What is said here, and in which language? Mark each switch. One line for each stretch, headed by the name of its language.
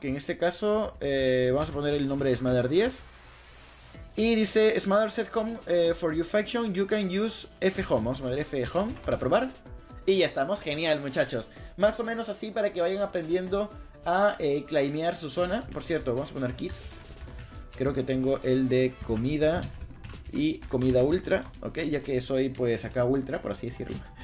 Spanish: Que en este caso vamos a poner el nombre de Smother 10. Y dice
English: Smother set home for your faction. You can use F home.
Spanish: Vamos a poner F home para probar. Y ya estamos. Genial, muchachos. Más o menos así para que vayan aprendiendo a claimear su zona. Por cierto, vamos a poner kits. Creo que tengo el de comida. Y comida ultra, ok, ya que soy pues acá ultra, por así decirlo.